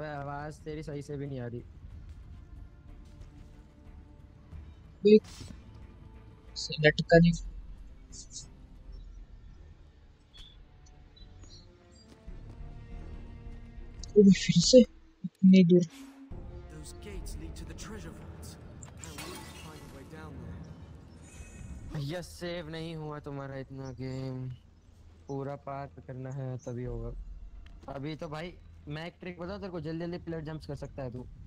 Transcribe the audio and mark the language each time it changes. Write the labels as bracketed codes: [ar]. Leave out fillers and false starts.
[hi] है वो, आवाज तेरी सही से भी नहीं आ रही। लटका नहीं फिर से इतनी दूर। [en] Those gates lead to the treasure vaults. I will find a way down there. [hi] ये सेव नहीं हुआ तुम्हारा इतना गेम, पूरा पार करना है तभी होगा। अभी तो भाई मैं एक ट्रिक बताऊं तेरे को, जल्दी जल्दी पिलर जंप्स कर सकता है तू।